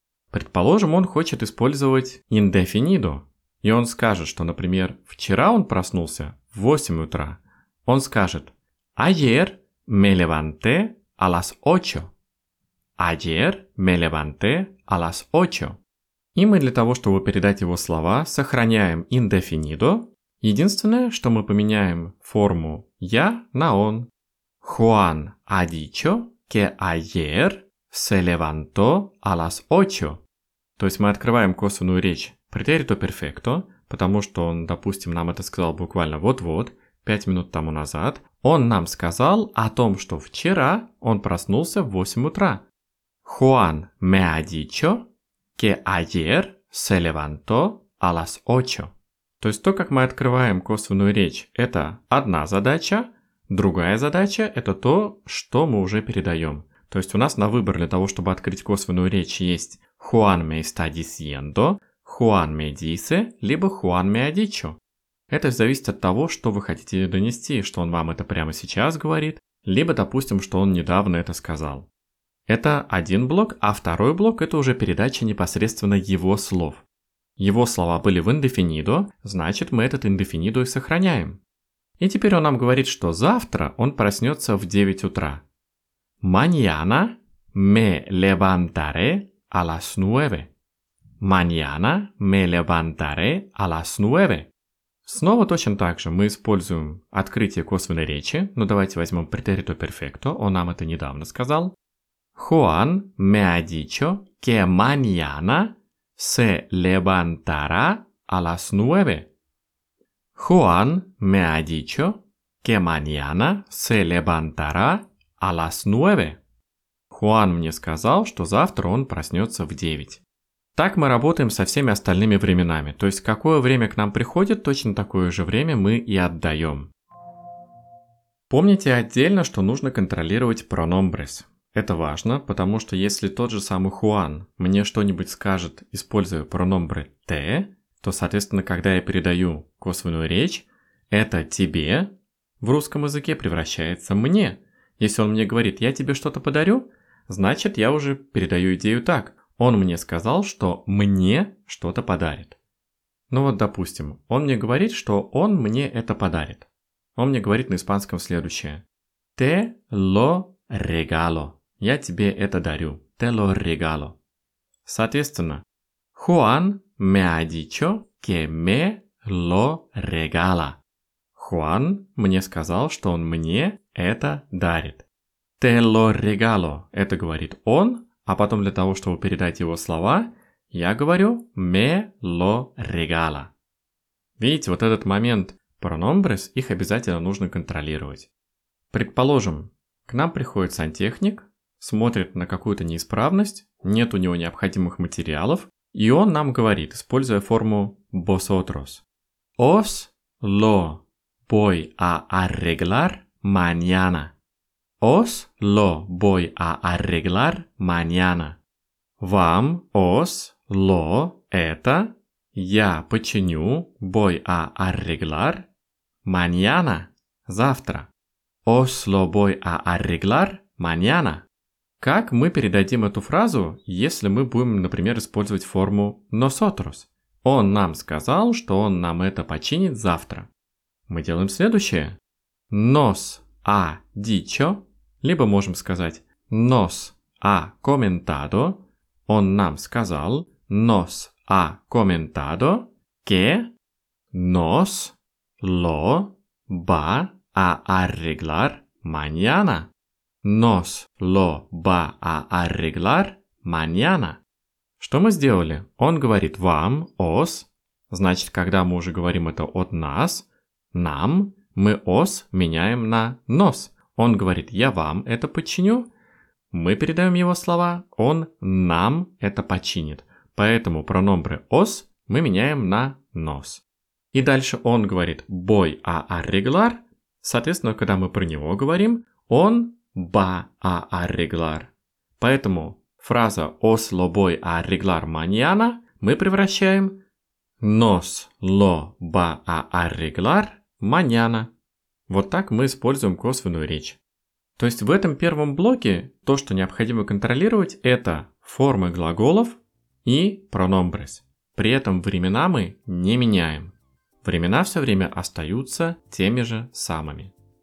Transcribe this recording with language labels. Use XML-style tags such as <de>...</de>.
<ru>Предположим, он хочет использовать indefinido, и он скажет, что, например, вчера он проснулся в 8 утра. Он скажет</ru> <es>«Ayer me levanté a las 8». «Ayer me levanté a las 8».</es> <ru>И мы для того, чтобы передать его слова, сохраняем indefinido. Единственное, что мы поменяем форму «я» на «он».</ru> <es>Juan ha dicho que ayer se levantó a las 8.</es> <ru>То есть мы открываем косвенную речь претерито перфекто, потому что он, допустим, нам это сказал буквально вот-вот, 5 минут тому назад. Он нам сказал о том, что вчера он проснулся в 8 утра.</ru> <es>Juan me ha dicho que ayer se levantó a las 8.</es> <ru>То есть то, как мы открываем косвенную речь, это одна задача. Другая задача – это то, что мы уже передаем. То есть у нас на выбор для того, чтобы открыть косвенную речь, есть</ru> <es>«Juan me está diciendo», «Juan me dice»,</es> <ru>либо</ru> <es>«Juan me ha dicho».</es> <ru>Это зависит от того, что вы хотите донести, что он вам это прямо сейчас говорит, либо, допустим, что он недавно это сказал. Это один блок, а второй блок – это уже передача непосредственно его слов. Его слова были в indefinido, значит, мы этот indefinido и сохраняем. И теперь он нам говорит, что завтра он проснется в 9 утра.</ru> <es>Mañana me levantaré a las 9. Mañana me levantaré a las 9.</es> <ru>Снова точно так же мы используем открытие косвенной речи, но давайте возьмем претерито перфекто, он нам это недавно сказал.</ru> <es>Juan me ha dicho que mañana se levantará a las 9. Juan me ha dicho que mañana se levantará a las 9.</es> <ru>Juan мне сказал, что завтра он проснется в 9. Так мы работаем со всеми остальными временами. То есть какое время к нам приходит, точно такое же время мы и отдаем. Помните отдельно, что нужно контролировать pronombres. Это важно, потому что если тот же самый Juan мне что-нибудь скажет, используя pronombre te, то, соответственно, когда я передаю косвенную речь, это «тебе» в русском языке превращается «мне». Если он мне говорит «я тебе что-то подарю», значит, я уже передаю идею так. Он мне сказал, что «мне» что-то подарит. Ну вот, допустим, он мне говорит, что он мне это подарит. Он мне говорит на испанском следующее.</ru> <es>«Te lo regalo».</es> <ru>«Я тебе это дарю».</ru> <es>«Te lo regalo».</es> <ru>Соответственно,</ru> <es>«Juan me ha dicho que me lo regala».</es> <ru>Juan мне сказал, что он мне это дарит.</ru> <es>«Te lo regalo»</es> <ru>– это говорит он, а потом для того, чтобы передать его слова, я говорю</ru> <es>«me lo regala».</es> <ru>Видите, вот этот момент pronombres, их обязательно нужно контролировать. Предположим, к нам приходит сантехник, смотрит на какую-то неисправность, нет у него необходимых материалов, и он нам говорит, используя форму vosotros.</ru> <es>Os lo voy a arreglar mañana. Os lo voy a arreglar mañana.</es> <ru>Вам,</ru> <es>os, lo,</es> <ru>это, я починю,</ru> <es>voy a arreglar mañana,</es> <ru>завтра.</ru> <es>Os lo voy a arreglar mañana.</es> <ru>Как мы передадим эту фразу, если мы будем, например, использовать форму nosotros? Он нам сказал, что он нам это починит завтра. Мы делаем следующее.</ru> <es>Nos ha dicho,</es> <ru>либо можем сказать</ru> <es>nos ha comentado,</es> <ru>он нам сказал</ru> <es>nos ha comentado que nos lo va a arreglar mañana. Nos lo va a arreglar mañana.</es> <ru>Что мы сделали? Он говорит вам, os, значит, когда мы уже говорим это от нас, нам, мы os меняем на nos. Он говорит, я вам это починю. Мы передаем его слова, он нам это починит. Поэтому pronombre os мы меняем на nos. И дальше он говорит</ru> <es>voy a arreglar.</es> <ru>Соответственно, когда мы про него говорим, он</ru> <es>va a arreglar.</es> <ru>Поэтому фраза</ru> <es>os lo voy a arreglar mañana</es> <ru>мы превращаем</ru> <es>nos lo va a arreglar mañana.</es> <ru>Вот так мы используем косвенную речь. То есть в этом первом блоке то, что необходимо контролировать, это формы глаголов и pronombres. При этом времена мы не меняем. Времена все время остаются теми же самыми.</ru>